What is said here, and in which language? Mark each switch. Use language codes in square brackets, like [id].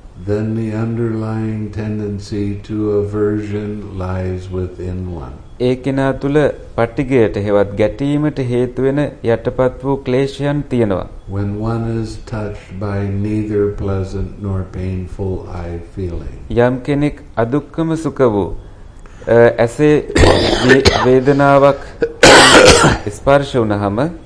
[en] then the underlying tendency to aversion lies within one [si] ඒකිනා තුල පටිගයට හේවත් ගැටීමට හේතු වෙන යටපත් වූ ක්ලේශයන් තියෙනවා [en] when one is touched by neither pleasant nor painful eye feeling [si] යම් කෙනෙක් අදුක්කම සුඛ වූ ඇසේ වේදනාවක් ස්පර්ශ වුණාම